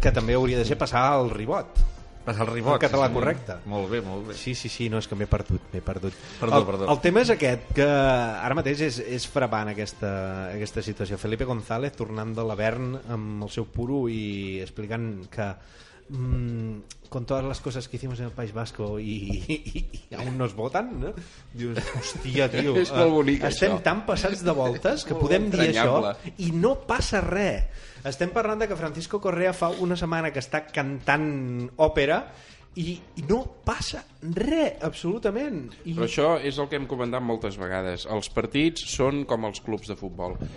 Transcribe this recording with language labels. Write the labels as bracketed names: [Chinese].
[Catalan] Que també hauria de ser passar al ribot. Passar al ribot. El català, sí, correcte. Sí, molt bé, molt bé. Sí, sí, sí, no, és que m'he perdut, m'he perdut. Perdó, perdó. El tema és aquest, que ara mateix és frapant aquesta situació. Felipe González tornant de l'Avern amb el seu puro i explicant que... [Spanish] con todas las cosas que hicimos en el País Vasco y aún nos voten, no? [Catalan] Dius, hòstia, tio, és molt bonic, estem això. Tan passats de voltes que podem dir això i no passa res. Estem parlant de que Francisco Correa fa una setmana que està cantant òpera i no passa res, absolutament. I... Però això és el que hem comentat moltes vegades. Els partits són com els clubs de futbol.